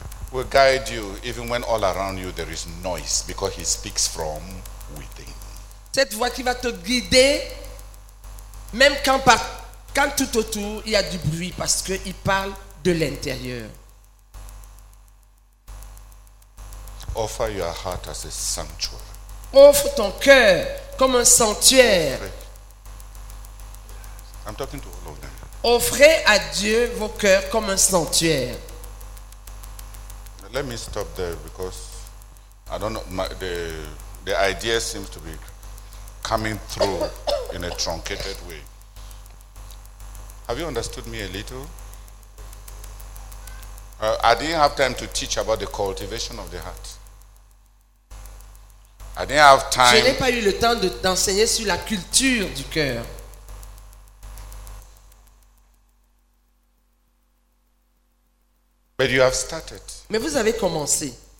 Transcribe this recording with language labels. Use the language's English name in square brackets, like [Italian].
[English] will guide you even when all around you there is noise, because he speaks from within. [French] Cette voix qui va te guider même quand par quand tout autour il y a du bruit, parce qu'il parle de l'intérieur. [English] Offer your heart as a sanctuary. [French] Offre ton cœur comme un sanctuaire. [English] I'm talking to all of them. [French] Offrez à Dieu vos cœurs comme un sanctuaire. [English] Let me stop there because I don't know, the idea seems to be coming through in a truncated way. Have you understood me a little? I didn't have time to teach about the cultivation of the heart. I didn't have time. [French] Je n'ai pas eu le temps de t'enseigner sur la culture du cœur. [English] But you have started. [French] Mais vous avez commencé.